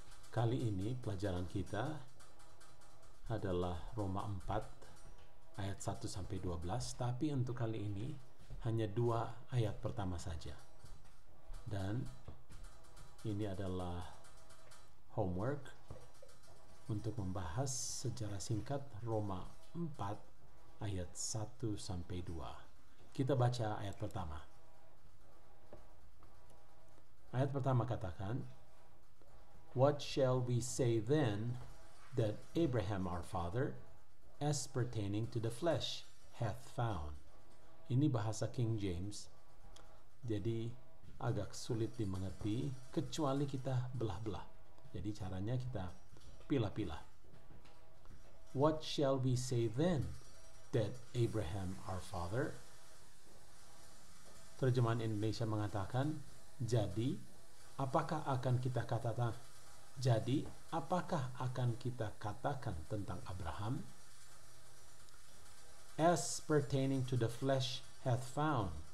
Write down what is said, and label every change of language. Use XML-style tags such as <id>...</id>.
<id>Kali ini pelajaran kita adalah Roma 4 ayat 1-12, tapi untuk kali ini hanya 2 ayat pertama saja. Dan ini adalah homework untuk membahas secara singkat Roma 4 ayat 1-2. Kita baca ayat pertama. Ayat pertama katakan,</id> <en>"What shall we say then that Abraham our father, as pertaining to the flesh, hath found?"</en> <id>Ini bahasa King James, jadi agak sulit dimengerti kecuali kita belah-belah. Jadi caranya kita pilah-pilah.</id> <en>"What shall we say then that Abraham our father?"</en> <id>Terjemahan Indonesia mengatakan, "Jadi, apakah akan kita katakan? Jadi, apakah akan kita katakan tentang Abraham?</id> <en>As pertaining to the flesh hath found."</en>